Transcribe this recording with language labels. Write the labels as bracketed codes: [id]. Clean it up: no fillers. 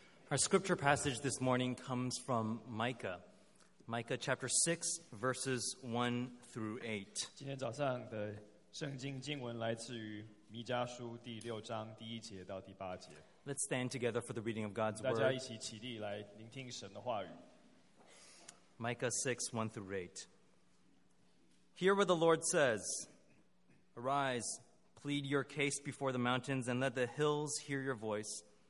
[en] Our scripture passage this morning comes from Micah. Micah chapter 6, verses 1 through 8. [zh] 今天早上的圣经经文来自于弥迦书第六章第一节到第八节。 [en] Let's stand together for the reading of God's [zh] word. 大家一起起立来聆听神的话语。 [en] Micah 6, 1 through 8. Hear what the Lord says. Arise, plead your case before the mountains, and let the hills hear your voice.